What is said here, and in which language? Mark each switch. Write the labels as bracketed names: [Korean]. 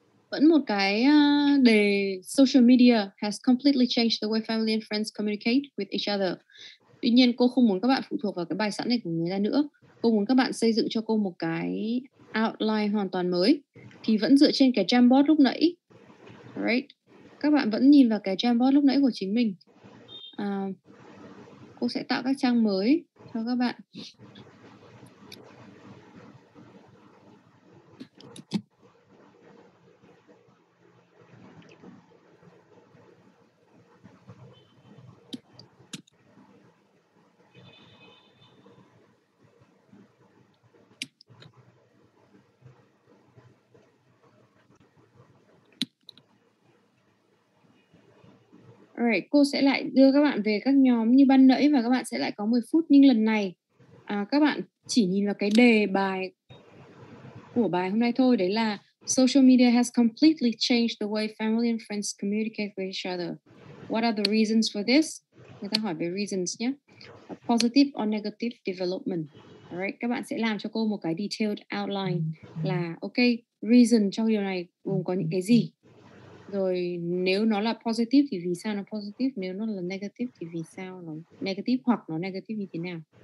[Vietnamese] Vẫn một cái đề [English] social media has completely changed the way family and friends communicate with each other. [Vietnamese] Tuy nhiên cô không muốn các bạn phụ thuộc vào cái bài sẵn này của người ta nữa. Cô muốn các bạn xây dựng cho cô một cái outline hoàn toàn mới. Thì vẫn dựa trên cái Jamboard lúc nãy. [English] Right. [Vietnamese] Các bạn vẫn nhìn vào cái Jamboard lúc nãy của chính mình. Cô sẽ tạo các trang mới cho các bạn. [English] Right. [Vietnamese] Cô sẽ lại đưa các bạn về các nhóm như ban nãy và các bạn sẽ lại có 10 phút. Nhưng lần này các bạn chỉ nhìn vào cái đề bài của bài hôm nay thôi. Đấy là [English] social media has completely changed the way family and friends communicate with each other. What are the reasons for this? [Vietnamese] Người ta hỏi về reasons nhé. [English] A positive or negative development. Right. [Vietnamese] Các bạn sẽ làm cho cô một cái detailed outline là ok, reason cho điều này gồm có những cái gì? Rồi nếu nó là positive thì vì sao nó positive, nếu nó là negative thì vì sao nó negative, hoặc nó negative như thế nào.